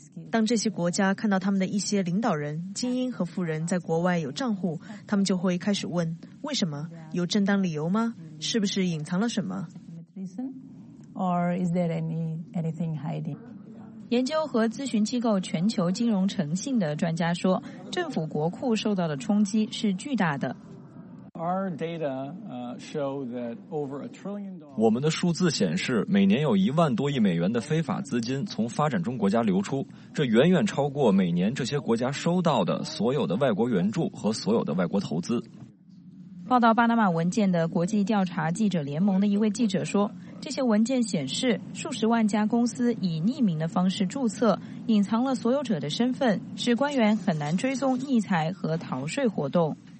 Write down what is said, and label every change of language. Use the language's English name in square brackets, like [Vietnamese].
[Chinese] 当这些国家看到他们的一些领导人、精英和富人在国外有账户，他们就会开始问：为什么？有正当理由吗？是不是隐藏了什么？研究和咨询机构全球金融诚信的专家说，政府国库受到的冲击是巨大的。 [English] Our data show that over a trillion dollars. [Chinese] 我们的数字显示，每年有10000多亿美元的非法资金从发展中国家流出，这远远超过每年这些国家收到的所有的外国援助和所有的外国投资。报道巴拿马文件的国际调查记者联盟的一位记者说，这些文件显示，数十万家公司以匿名的方式注册，隐藏了所有者的身份，使官员很难追踪逆财和逃税活动。